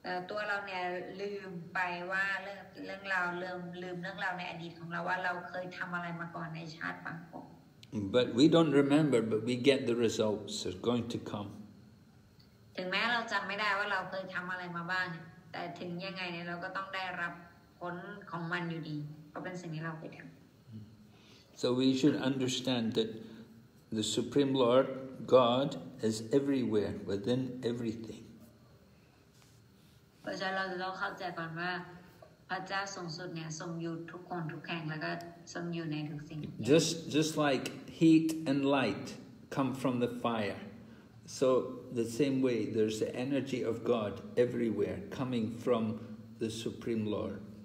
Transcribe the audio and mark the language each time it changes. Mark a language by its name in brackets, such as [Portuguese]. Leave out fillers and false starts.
[Thai] ตัวเราเนี่ยลืมไปว่าเรื่องราวลืมเรื่องราวในอดีตของเราว่าเราเคยทำอะไรมาก่อนในชาติปางก่อน [English] But we don't remember, but we get the results are going to come. [Thai] ถึงแม้เราจำไม่ได้ว่าเราเคยทำอะไรมาบ้างแต่ถึงยังไงเนี่ยเราก็ต้องได้รับผลของมันอยู่ดีเพราะเป็นสิ่งที่เราไปทำ [English] So we should understand that the Supreme Lord God is everywhere within everything. [Thai] เราจะเราต้องเข้าใจก่อนว่าพระเจ้าสูงสุดเนี่ยทรงอยู่ทุกคนทุกแห่งแล้วก็ทรงอยู่ในทุกสิ่ง [English] just like heat and light come from the fire so the same way there's the energy of God everywhere coming from the Supreme Lord